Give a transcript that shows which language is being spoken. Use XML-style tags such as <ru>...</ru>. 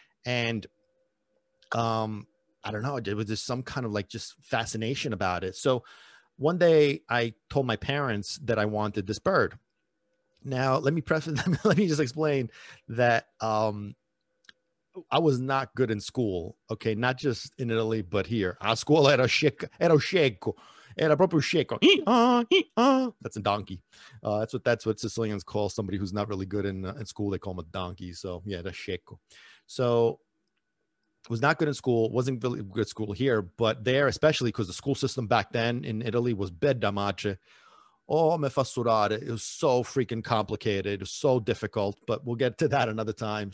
<en>And I don't know, it was just some kind of like just fascination about it. So one day I told my parents that I wanted this bird. Now, let me just explain that I was not good in school. Okay. Not just in Italy, but here.</en> <it>A scuola era scecco, era scecco, era proprio scecco.</it> <en>That's a donkey. That's what Sicilians call somebody who's not really good in school. They call them a donkey. So yeah,</en> <it>era scecco.</it> <en>So was not good in school, wasn't really good school here, but there, especially because the school system back then in Italy was</en> <it>bella maccia. Oh, me fa sudare.</it> <en>It was so freaking complicated. It was so difficult, but we'll get to that another time.</en>